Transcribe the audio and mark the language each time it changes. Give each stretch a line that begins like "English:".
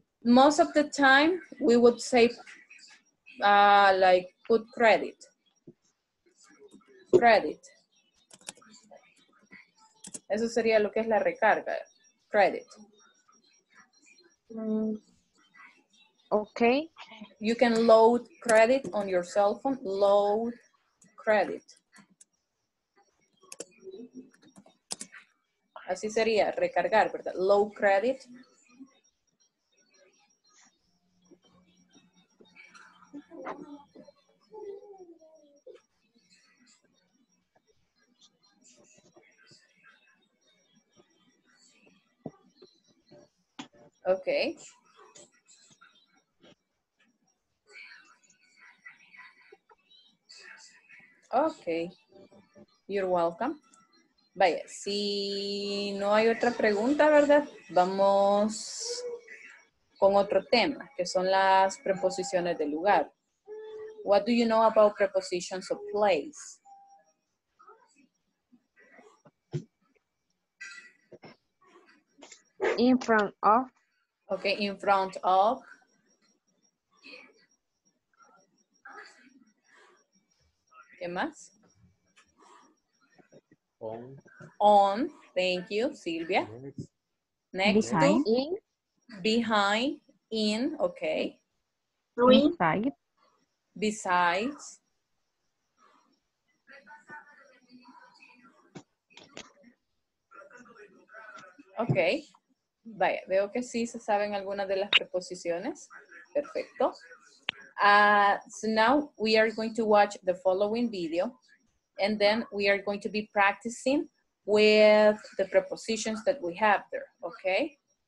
English: So most of the time we would say like put credit. Credit.
Spanish: Eso sería lo que es la recarga. Credit. Okay.
English: You can load credit on your cell phone. Load credit.
Spanish: Así sería, recargar, ¿verdad?
English: Load credit. Okay. Okay. You're welcome.
Spanish: Vaya, si no hay otra pregunta, ¿verdad? Vamos con otro tema, que son las preposiciones de lugar.
English: What do you know about prepositions of place? In front of. Okay, in front of.
Spanish: ¿Qué más?
English: On, thank you, Silvia. Next. Behind. To, in. Behind, in, okay. Inside. Besides. Okay.
Spanish: Vaya, veo que sí se saben algunas de las preposiciones. Perfecto.
English: So now we are going to watch the following video. And then we are going to be practicing with the prepositions that we have there, okay?